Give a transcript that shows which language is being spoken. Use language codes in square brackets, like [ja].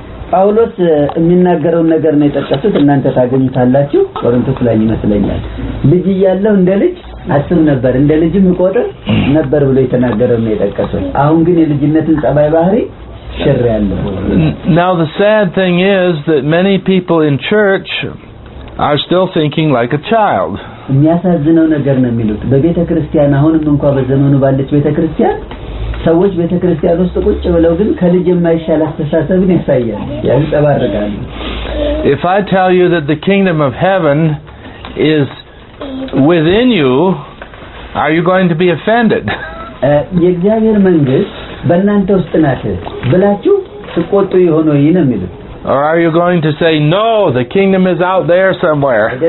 [am] ጳውሎስ የሚናገረው ነገር ነው የጠቀሰው እናንተ ታገኙታላችሁ ቆሮንቶስ ላይ ይመስለኛል ልጅ ያለው እንደ ልጅ አስም ነበር እንደ ልጅም ቆጥር ነበር ብሎ የተናገረው ነው የጠቀሰው አሁን ግን የልጅነትን ጸባይ ባህሪ ሽር ያለው [en] Now the sad thing is that many people in church are still thinking like a child. [am] የሚያሳዝነው ነገር ነው የሚሉት በቤተ ክርስቲያን አሁንም እንኳን በዘመኑ ባለች ቤተ ክርስቲያን ሰዎች ቤተ ክርስቲያን ውስጥ ቁጭ ብለው ግን ከልጅ የማይሻል አስተሳሰብን ያሳያል ያንጸባርቃሉ. [en] If I tell you that the kingdom of heaven is within you, are you going to be offended? [am] የእግዚአብሔር መንግስት በእናንተ ውስጥ ናት ብላችሁ ትቆጡ ይሆን ወይ ነው የሚሉት? [en] Or are you going to say, no, the kingdom is out there somewhere?